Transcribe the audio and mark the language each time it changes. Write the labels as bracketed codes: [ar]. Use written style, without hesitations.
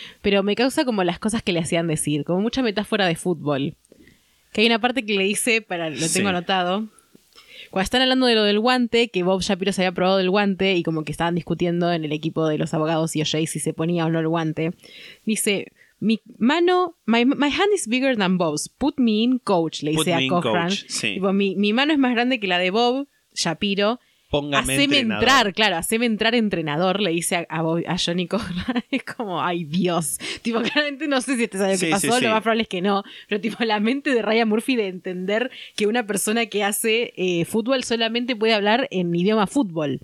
[es] Pero me causa como las cosas que le hacían decir. Como mucha metáfora de fútbol. Que hay una parte que le dice, para, lo tengo, sí, anotado. Cuando están hablando de lo del guante, que Bob Shapiro se había probado el guante y como que estaban discutiendo en el equipo de los abogados y O'Shea si se ponía o no el guante. Dice... Mi mano, [en] my hand is bigger than Bob's. Put me in, coach, [es] le dice a Cochran. Sí. Mi mano es más grande que la de Bob Shapiro. Póngame haceme entrenador. Entrar, claro, haceme entrar entrenador, le dice a Johnny Cochran. Es como, ay Dios. Tipo, claramente no sé si te sabe lo que pasó, sí, sí, lo más probable es que no. Pero tipo, la mente de Ryan Murphy de entender que una persona que hace fútbol solamente puede hablar en idioma fútbol.